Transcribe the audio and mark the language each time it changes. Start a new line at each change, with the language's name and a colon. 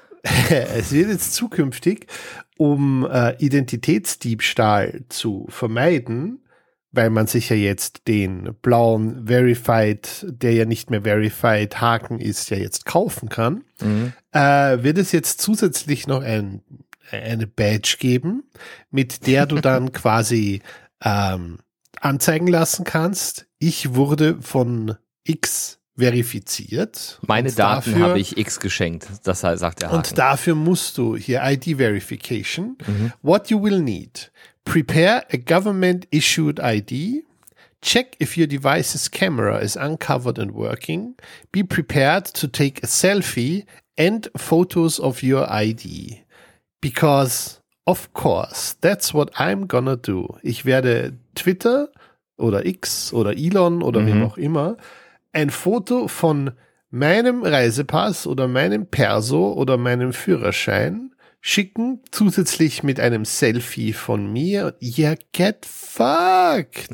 German: Es wird jetzt zukünftig, um Identitätsdiebstahl zu vermeiden, weil man sich ja jetzt den blauen Verified, der ja nicht mehr Verified Haken ist, ja jetzt kaufen kann, wird es jetzt zusätzlich noch eine Badge geben, mit der du dann quasi anzeigen lassen kannst, ich wurde von X verifiziert. Meine Daten habe ich X geschenkt, das sagt der Haken. Und dafür musst du hier ID Verification.
English: Mhm. What you will need. Prepare a government-issued ID. Check if your device's camera is uncovered and working. Be prepared to take a selfie and photos of your ID. Because, of course, that's what I'm gonna do.
German: Ich werde Twitter oder X oder Elon oder wem auch immer, ein Foto von meinem Reisepass oder meinem Perso oder meinem Führerschein schicken, zusätzlich mit einem Selfie von mir.
English: Yeah, get fucked!